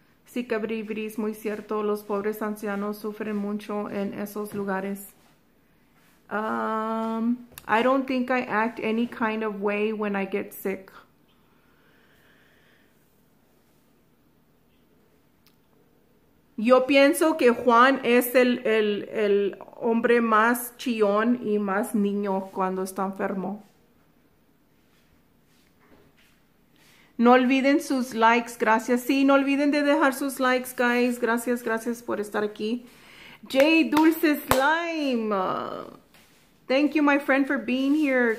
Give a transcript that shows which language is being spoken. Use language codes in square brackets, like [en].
[es] Sí, Cabribris, muy cierto. Los pobres ancianos sufren mucho en esos lugares. [en] I don't think I act any kind of way when I get sick. [es] Yo pienso que Juan es el hombre más chillón y más niño cuando está enfermo. No olviden sus likes, gracias. Sí, no olviden de dejar sus likes, guys. Gracias, gracias por estar aquí. [en] Jay Dulce Slime. Thank you, my friend, for being here.